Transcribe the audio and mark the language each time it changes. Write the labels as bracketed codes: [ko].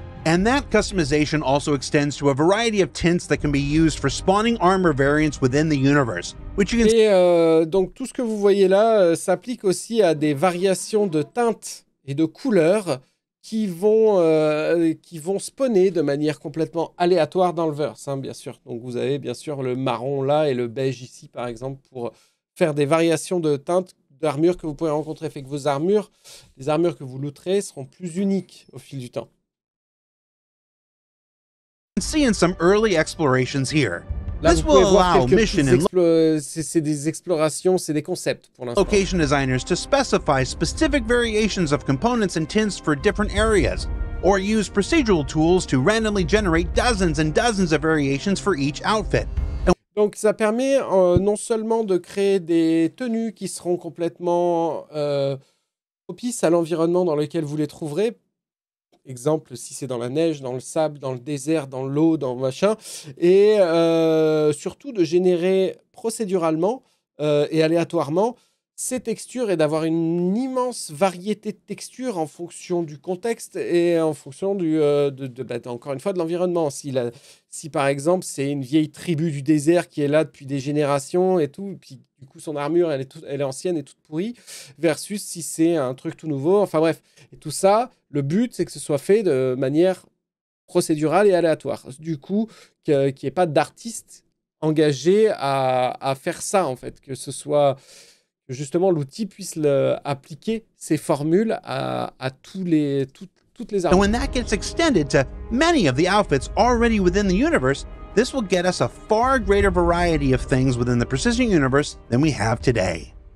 [en] And that customization also extends to a variety of tints that can be used for spawning armor variants within the universe, which you can. [fr] Et donc tout ce que vous voyez là s'applique aussi à des variations de teintes et de couleurs qui vont spawner de manière complètement aléatoire dans le verse, hein, bien sûr. Donc vous avez bien sûr le marron là et le beige ici par exemple pour faire des variations de teintes d'armure que vous pouvez rencontrer, fait que vos armures, les armures que vous looterez seront plus uniques au fil du temps. [en] Seeing some early explorations here. [fr] Là, [en] this will allow mission and [fr] c'est des explorations, c'est des concepts pour l'instant. [en] Location designers to specify specific variations of components and tints for different areas, or use procedural tools to randomly generate dozens and dozens of variations for each outfit. [fr] Donc ça permet non seulement de créer des tenues qui seront complètement propices à l'environnement dans lequel vous les trouverez. Exemple, si c'est dans la neige, dans le sable, dans le désert, dans l'eau, dans machin. Et surtout de générer procéduralement et aléatoirement ces textures et d'avoir une immense variété de textures en fonction du contexte et en fonction du, encore une fois, de l'environnement. Si par exemple, c'est une vieille tribu du désert qui est là depuis des générations et tout, et puis du coup, son armure, elle est ancienne et toute pourrie, versus si c'est un truc tout nouveau. Enfin bref, et tout ça, le but, c'est que ce soit fait de manière procédurale et aléatoire. Du coup, qu'il n'y ait pas d'artiste engagé à faire ça, en fait, que ce soit... Justement, l'outil puisse appliquer ses formules à toutes les armes. [en] And when that gets extended to many of the outfits already within the universe, this will get us a far greater variety of things within the persistent universe than we have today.